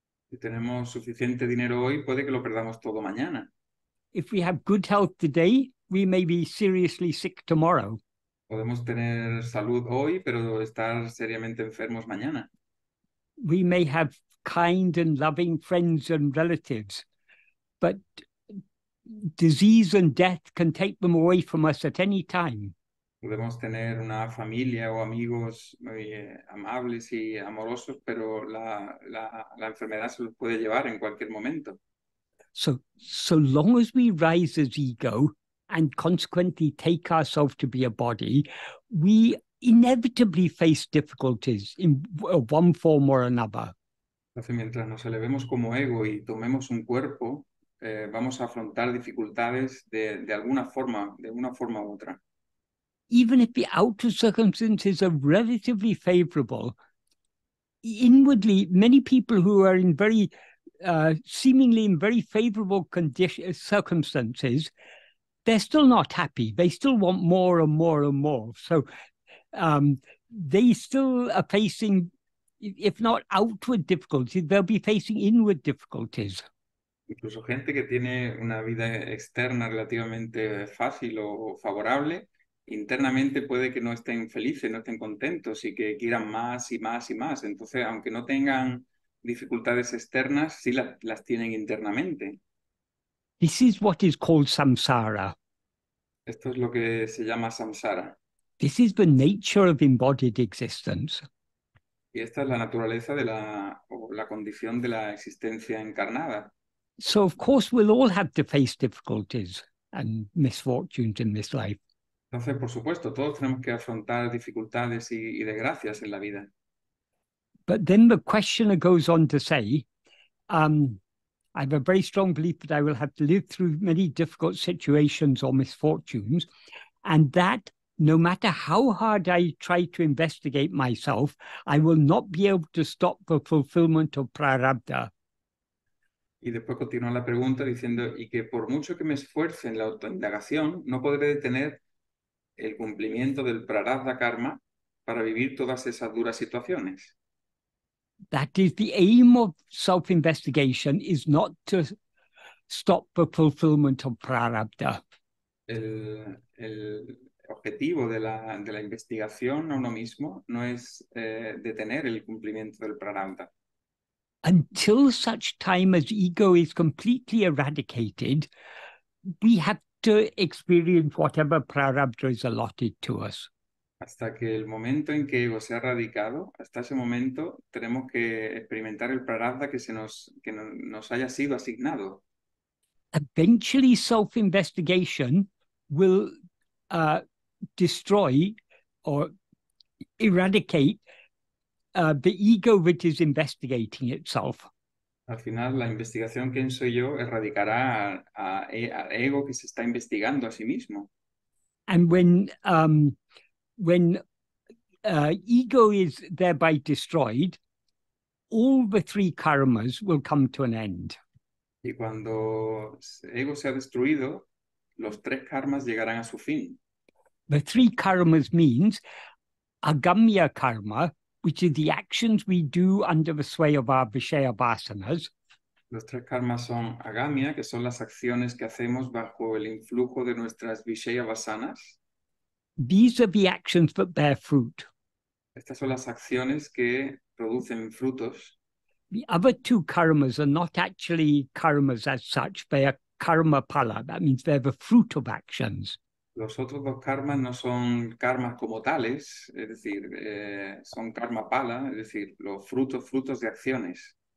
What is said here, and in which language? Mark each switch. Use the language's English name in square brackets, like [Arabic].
[Spanish] Si tenemos suficiente dinero hoy, puede que lo perdamos todo mañana. [English] If we have good health today, we may be seriously sick tomorrow. [Spanish] Podemos tener salud hoy, pero estar seriamente enfermos mañana. [English] We may have kind and loving friends and relatives, but disease and death can take them away from us at any time. [Spanish] Podemos tener una familia o amigos muy amables y amorosos, pero la enfermedad se los puede llevar en cualquier momento. [English] So long as we rise as ego and consequently take ourselves to be a body, we inevitably face difficulties in one form or another. [Spanish] Entonces, mientras nos elevemos como ego y tomemos un cuerpo, vamos a afrontar dificultades de alguna forma u otra. [English] Even if the outer circumstances are relatively favorable, inwardly, many people who are in very, seemingly in very favorable circumstances, they're still not happy. They still want more and more and more. So they still are facing, if not outward difficulties, they'll be facing inward difficulties. [Spanish] Incluso gente que tiene una vida externa relativamente fácil o favorable, internamente puede que no estén felices, no estén contentos y que quieran más y más y más. Entonces, aunque no tengan dificultades externas, sí las tienen internamente. [English] This is what is called samsara. [Spanish] Esto es lo que se llama samsara. [English] This is the nature of embodied existence. [Spanish] Y esta es la naturaleza o la condición de la existencia encarnada. [English] So of course we'll all have to face difficulties and misfortunes in this life. [Spanish] Entonces, por supuesto, todos tenemos que afrontar dificultades y desgracias en la vida. [English] But then the questioner goes on to say, I have a very strong belief that I will have to live through many difficult situations or misfortunes, and that no matter how hard I try to investigate myself, I will not be able to stop the fulfillment of prarabdha. [Spanish] Y después continúa la pregunta diciendo, y que por mucho que me esfuerce en la autoindagación, no podré detener el cumplimiento del prarabdha karma para vivir todas esas duras situaciones. [English] That is, the aim of self-investigation is not to stop the fulfillment of prarabdha. [Spanish] El objetivo de la investigación a uno mismo no es detener el cumplimiento del prarabdha. [English] Until such time as ego is completely eradicated, we have to experience whatever prarabdha is allotted to us. [Spanish] Hasta que el momento en que ego sea erradicado, hasta ese momento tenemos que experimentar el prarabdha que nos haya sido asignado. [English] Eventually, self-investigation will destroy or eradicate the ego that is investigating itself. [Spanish] Al final, la investigación, ¿quién soy yo?, erradicará al ego que se está investigando a sí mismo. [English] And when ego is thereby destroyed, all the three karmas will come to an end. [Spanish] Y cuando ego sea destruido, los tres karmas llegarán a su fin. [English] The three karmas means agamya karma, which is the actions we do under the sway of our vishaya vasanas. [Spanish] Los tres karmas son agamya, que son las acciones que hacemos bajo el influjo de nuestras vishaya vasanas. [English] These are the actions that bear fruit. [Spanish] Estas son las acciones que producen frutos. [English] The other two karmas are not actually karmas as such. They are karma pala. That means they're the fruit of actions. [Spanish] Los otros dos karmas no son karmas como tales, es decir, son karma pala, es decir, los frutos de acciones.